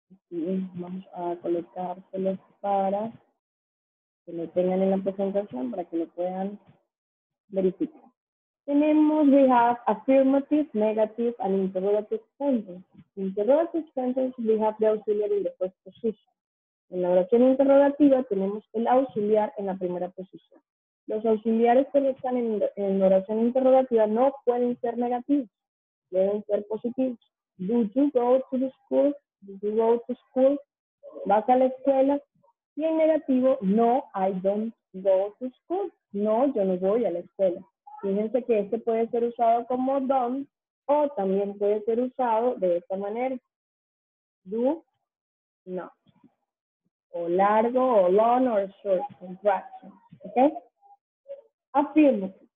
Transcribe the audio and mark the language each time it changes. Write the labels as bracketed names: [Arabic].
[Spanish] Y vamos a colocárselos para que lo tengan en la presentación, para que lo puedan verificar. [English] Tenemos, we have affirmative, negative, and interrogative sentence. Interrogative sentence, we have the auxiliary in the first position. [Spanish] En la oración interrogativa, tenemos el auxiliar en la primera posición. Los auxiliares que están en oración interrogativa no pueden ser negativos. Deben ser positivos. [English] Do you go to the school? Do you go to school? [Spanish] ¿Vas a la escuela? Y en negativo, [English] no, I don't go to school. [Spanish] No, yo no voy a la escuela. Fíjense que este puede ser usado como don o también puede ser usado de esta manera. [English] Do not. [Spanish] O largo, [English] o long, o short. Contraction. ¿Ok? Affirmative.